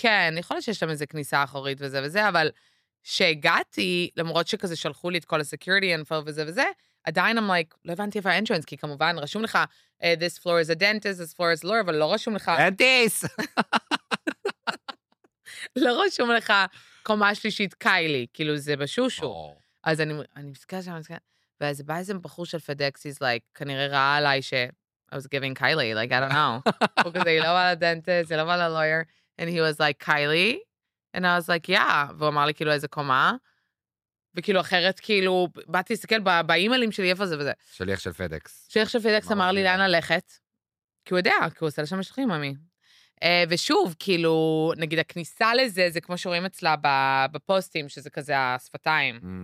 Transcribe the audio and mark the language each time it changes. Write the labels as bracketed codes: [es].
[he] כן, יכול להיות שיש להם איזה כניסה אחורית וזה וזה, אבל שהגעתי, למרות שכזה שלחו לי את כל ה-security info וזה וזה, עדיין [en] I'm like, [he] לא הבנתי איפה entrance, כי כמובן רשום לך, [en] this floor is a dentist, this floor is a lawyer, [he] אבל לא רשום לך... [en] Dentist! [he] לא רשום לך קומה שלישית קיילי, כאילו זה בשושו. אז אני מסכה שם, ואז בא איזה בחור של FedEx, [en] he's like, [he] כנראה ראה עליי ש... [en] I was giving Kylie, like, I don't know. Because he didn't want a dentist, he didn't want a lawyer. And he was like, Kylie? And I was like, yeah. [he] והוא אמר לי, כאילו, איזה קומה. וכאילו, אחרת, כאילו, באתי להסתכל באימיילים שלי, איפה זה וזה. שליח של פדקס. שליח של פדקס אמר לי, לאן ללכת? כי הוא יודע, כי הוא עושה לשם משלחים, אמי. ושוב, כאילו, נגיד, הכניסה לזה, זה כמו שרואים אצלה בפוסטים, שזה כזה השפתיים.